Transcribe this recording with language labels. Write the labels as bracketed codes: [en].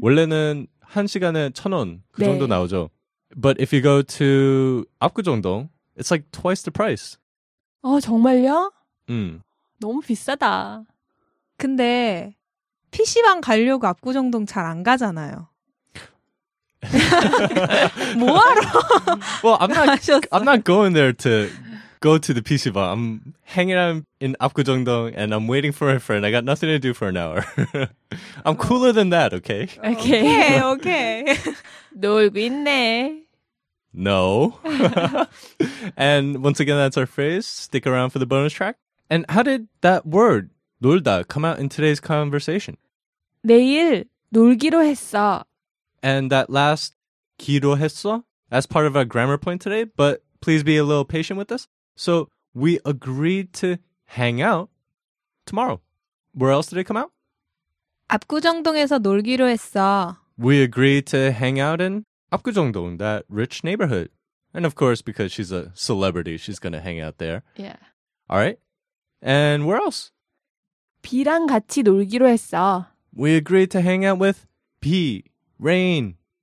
[ko] 원래는 한 시간에 1,000원 그 네. 정도 나오죠. [en] But if you go to 압구정동, it's like twice the price. [ko] 아, 정말요? 너무 비싸다. 근데 PC방 가려고 압구정동 잘 안 가잖아요. 뭐하러? [en] Well, I'm not going there to go to the PC방. I'm hanging out in 압구정동 and I'm waiting for a friend. I got nothing to do for an hour. I'm cooler than that, okay? Okay. [ko] 놀고 있네. [en] No. And once again, that's our phrase. Stick around for the bonus track. And how did that word, 놀다, come out in today's conversation? [ko] 내일 놀기로 했어. [en] And that last, [ko] 기로 했어, [en] that's part of our grammar point today, but please be a little patient with us. So we agreed to hang out tomorrow. Where else did it come out? [ko] 압구정동에서 놀기로 했어. [en] We agreed to hang out in 압구정동, that rich neighborhood. And of course, because she's a celebrity, she's going to hang out there. Yeah. All right. And where else? [ko] 비랑 같이 놀기로 했어. [en] We agreed to hang out with 비, rain.